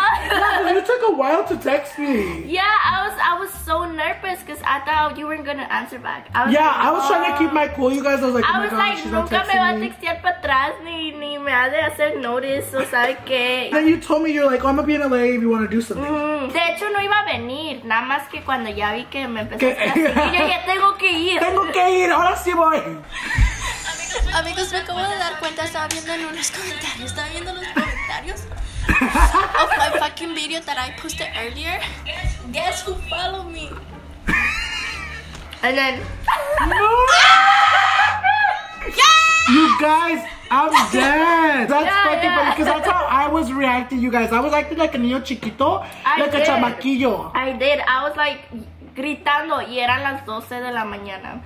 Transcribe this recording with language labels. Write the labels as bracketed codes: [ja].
[en] Yeah, you took a while to text me. Yeah, I was so nervous because I thought you weren't going to answer back. I was trying to keep my cool, you guys. I was like, oh my God, like, she's not texting me. I was like, [es] nunca me va a textear para atrás ni me ha de hacer [en] notice, [es] o sabe qué. [en] Then you told me, you're like, oh, I'm going to be in LA if you want to do something. [es] De hecho, no iba a venir, nada más que cuando ya vi que me empezaste a seguir, yo ya tengo que ir. Tengo que ir, ahora sí voy. Amigos, me acabo de dar cuenta, estaba viendo los comentarios [en] of my fucking video that I posted earlier. Guess who followed me? And then... No! Yes! You guys... I'm dead. That's fucking funny because that's how I was reacting, you guys. I was acting like a [es] niño chiquito, a chamaquillo. [en] I did. I was like [es] gritando y eran las 12 de la mañana.